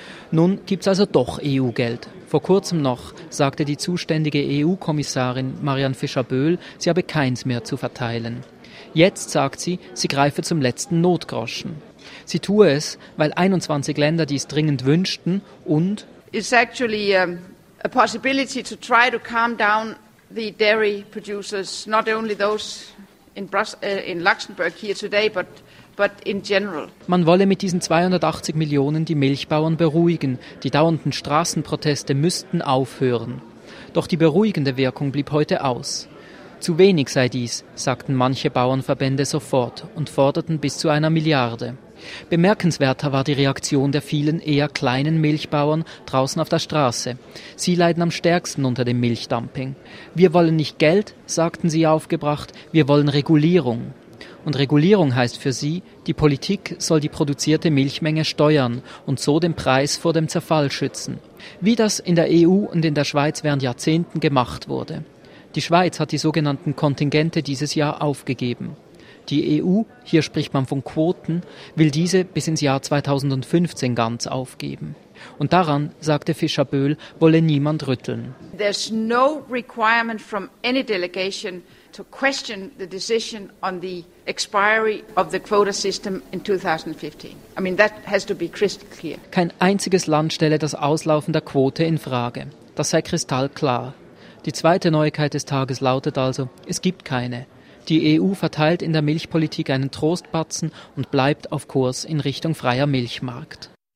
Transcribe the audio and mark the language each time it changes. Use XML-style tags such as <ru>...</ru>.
<de>Nun gibt's also doch EU-Geld. Vor kurzem noch sagte die zuständige EU-Kommissarin Marianne Fischer-Böhl, sie habe keins mehr zu verteilen. Jetzt sagt sie, sie greife zum letzten Notgroschen. Sie tue es, weil 21 Länder dies dringend wünschten und</de> <en>it's actually a possibility to try to calm down the dairy producers, not only those in Luxembourg here today, but in general.</en> <de>Man wolle mit diesen 280 Millionen die Milchbauern beruhigen. Die dauernden Straßenproteste müssten aufhören. Doch die beruhigende Wirkung blieb heute aus. Zu wenig sei dies, sagten manche Bauernverbände sofort und forderten bis zu einer Milliarde. Bemerkenswerter war die Reaktion der vielen eher kleinen Milchbauern draußen auf der Straße. Sie leiden am stärksten unter dem Milchdumping. Wir wollen nicht Geld, sagten sie aufgebracht, wir wollen Regulierung. Und Regulierung heißt für sie, die Politik soll die produzierte Milchmenge steuern und so den Preis vor dem Zerfall schützen. Wie das in der EU und in der Schweiz während Jahrzehnten gemacht wurde. Die Schweiz hat die sogenannten Kontingente dieses Jahr aufgegeben. Die EU, hier spricht man von Quoten, will diese bis ins Jahr 2015 ganz aufgeben. Und daran, sagte Fischer-Böhl, wolle niemand rütteln.</de> <en>There's no requirement from any delegation to question the decision on the expiry of the quota system in 2015. I mean, that has to be crystal clear.</en> <de>Kein einziges Land stelle das Auslaufen der Quote in Frage. Das sei kristallklar. Die zweite Neuigkeit des Tages lautet also, es gibt keine. Die EU verteilt in der Milchpolitik einen Trostbatzen und bleibt auf Kurs in Richtung freier Milchmarkt.</de>